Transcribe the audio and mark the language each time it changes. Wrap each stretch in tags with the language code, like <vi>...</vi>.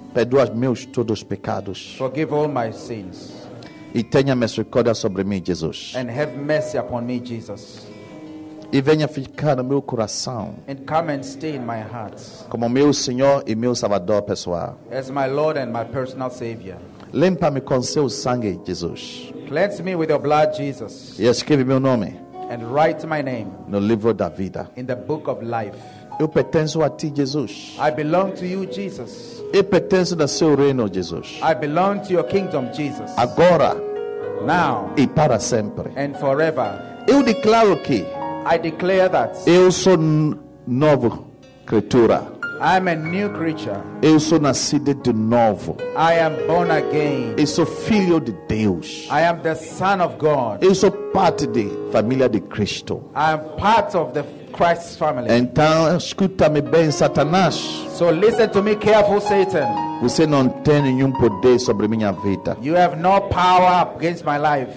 <pt>Perdoa meus todos os pecados.</pt> <en>Forgive all my sins.</en> <pt>E tenha misericórdia sobre mim, Jesus.</pt> <en>And have mercy upon me, Jesus.</en> <pt>E venha ficar no meu coração.</pt> <en>And come and stay in my heart.</en> <pt>Como meu Senhor e meu Salvador pessoal.</pt> <en>As my Lord and my personal Savior.</en> <pt>Limpa-me com seu sangue, Jesus.</pt> <en>Cleanse me with your blood, Jesus.</en> <pt>E escreve meu nome.</pt> <en>And write my name.</en> <pt>No livro da vida.</pt> <en>In the book of life.</en> <pt>Eu pertenço a ti, Jesus.</pt> <en>I belong to you, Jesus.</en> <pt>Eu pertenço ao seu reino, Jesus.</pt> <en>I belong to your kingdom, Jesus.</en> <pt>Agora.</pt> <en>Now.</en> <pt>E para sempre.</pt> <en>And forever.</en> <pt>Eu declaro que.</pt> <en>I declare that.</en> <pt>Eu sou novo criatura.</pt> <en>I'm a new creature.</en> <pt>Eu sou nascido de novo.</pt> <en>I am born again.</en> <pt>Eu sou filho de Deus.</pt> <en>I am the son of God.</en> <pt>Eu sou parte da família de Cristo.</pt> <en>I am part of the Christ's family.</en> <pt>Então, escuta-me bem, Satanás.</pt> <en>So listen to me careful, Satan.</en> <pt>Você não tem nenhum poder sobre minha vida.</pt> <en>You have no power against my life.</en>